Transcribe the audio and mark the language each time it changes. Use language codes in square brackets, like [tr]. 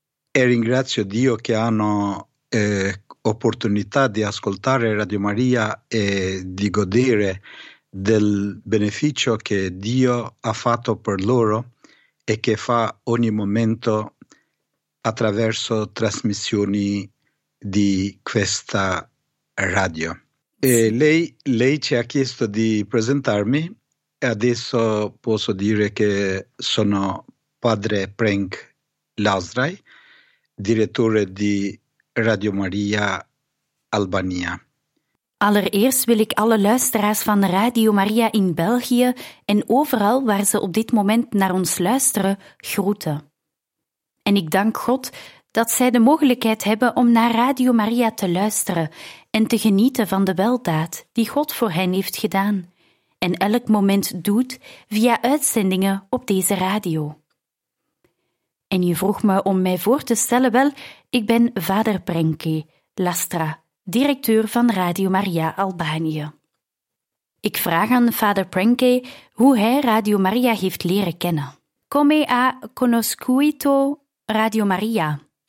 [it] E ringrazio Dio che hanno opportunità di ascoltare Radio Maria e di godere del beneficio che Dio ha fatto per loro e che fa ogni momento attraverso trasmissioni di questa radio. E lei ci ha chiesto di presentarmi e adesso posso dire che sono Padre Prenke Lazrai, direttore di Radio Maria Albania. [nl] Allereerst wil ik alle luisteraars van Radio Maria in België en overal waar ze op dit moment naar ons luisteren, groeten. En ik dank God dat zij de mogelijkheid hebben om naar Radio Maria te luisteren en te genieten van de weldaad die God voor hen heeft gedaan en elk moment doet via uitzendingen op deze radio. En je vroeg me om mij voor te stellen, wel, ik ben Vader Prenke Lastra, directeur van Radio Maria Albanië. Ik vraag aan Vader Prenke hoe hij Radio Maria heeft leren kennen. [it] Come ha conosciuto Radio Maria?